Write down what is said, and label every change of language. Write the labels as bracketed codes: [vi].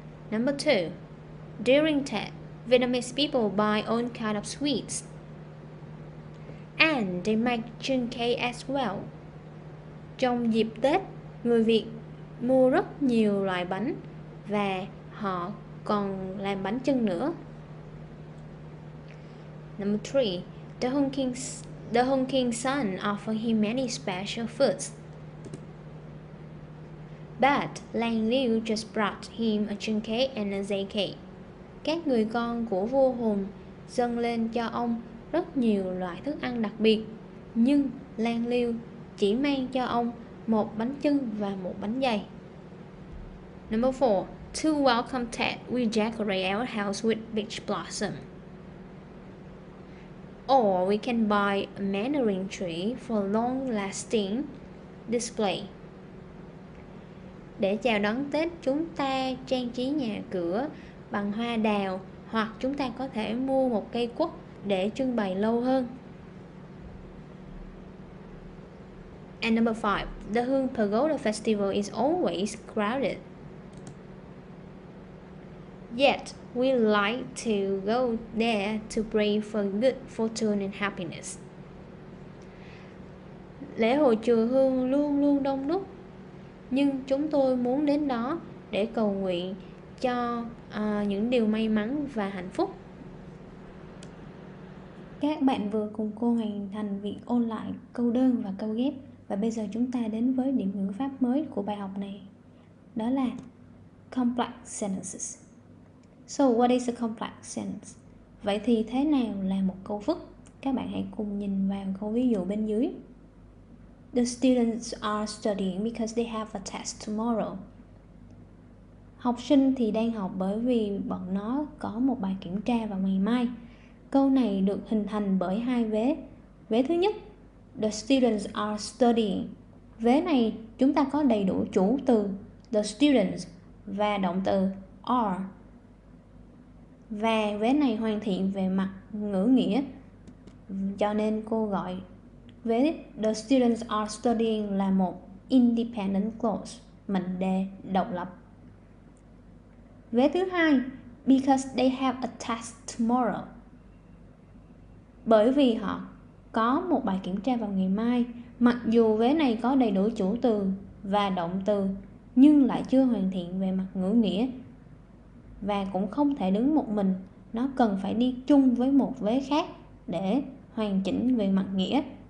[en] Number two, during Tết, Vietnamese people buy all kind of sweets. And they make chung cake as well. [vi] Trong dịp Tết, người Việt mua rất nhiều loại bánh và họ còn làm bánh chưng nữa. [en] Number 3. The Hung King's son offered him many special foods. But Lang Liu just brought him a chung cake and a zay cake. [vi] Các người con của vua Hùng dâng lên cho ông rất nhiều loại thức ăn đặc biệt, nhưng Lang Liu chỉ mang cho ông một bánh chưng và một bánh dày. [en] Number 4. To welcome Tết, we decorate our house with peach blossom. Or we can buy a mandarin tree for long-lasting display. [vi] Để chào đón Tết, chúng ta trang trí nhà cửa bằng hoa đào, hoặc chúng ta có thể mua một cây quất để trưng bày lâu hơn. [en] And number 5, the Hương Pagoda Festival is always crowded. Yet, we like to go there to pray for good fortune and happiness. [vi] Lễ hội chùa Hương luôn luôn đông đúc, nhưng chúng tôi muốn đến đó để cầu nguyện cho những điều may mắn và hạnh phúc. Các bạn vừa cùng cô hoàn thành việc ôn lại câu đơn và câu ghép. Và bây giờ chúng ta đến với điểm ngữ pháp mới của bài học này. Đó là complex sentences. [en] So what is a complex sentence? [vi] Vậy thì thế nào là một câu phức? Các bạn hãy cùng nhìn vào câu ví dụ bên dưới. [en] The students are studying because they have a test tomorrow. [vi] Học sinh thì đang học bởi vì bọn nó có một bài kiểm tra vào ngày mai. Câu này được hình thành bởi hai vế. Vế thứ nhất, [en] the students are studying. [vi] Vế này chúng ta có đầy đủ chủ từ the students và động từ are. Và vế này hoàn thiện về mặt ngữ nghĩa, cho nên cô gọi vế [en] the students are studying [vi] là một independent clause, mệnh đề độc lập. Vế thứ hai, [en] because they have a test tomorrow. [vi] Bởi vì họ có một bài kiểm tra vào ngày mai, mặc dù vế này có đầy đủ chủ từ và động từ, nhưng lại chưa hoàn thiện về mặt ngữ nghĩa. Và cũng không thể đứng một mình, nó cần phải đi chung với một vế khác để hoàn chỉnh về mặt nghĩa.